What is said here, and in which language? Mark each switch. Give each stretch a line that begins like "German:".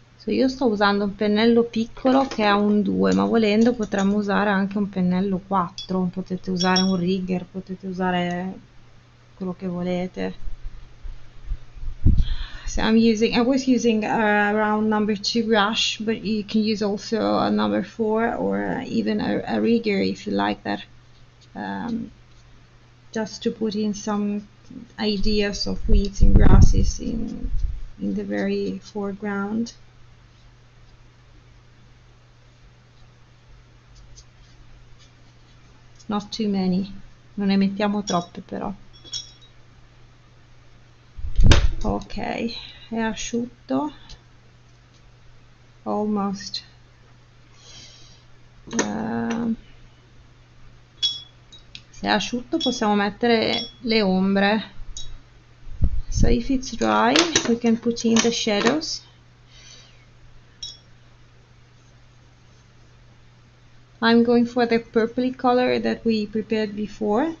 Italian: io sto usando un pennello piccolo che ha un 2, ma volendo potremmo usare anche un pennello 4. Potete usare un rigger, potete usare quello che volete.
English: So I was using a round number 2 brush, but you can use also a number 4 or even a rigger if you like that. Just to put in some ideas of weeds and grasses in the very foreground. Not too many,
Italian: non ne mettiamo troppe però. Ok, è asciutto.
English: Almost.
Italian: Se è asciutto possiamo mettere le ombre.
English: So if it's dry, we can put in the shadows. I'm going for the purpley color that we prepared before.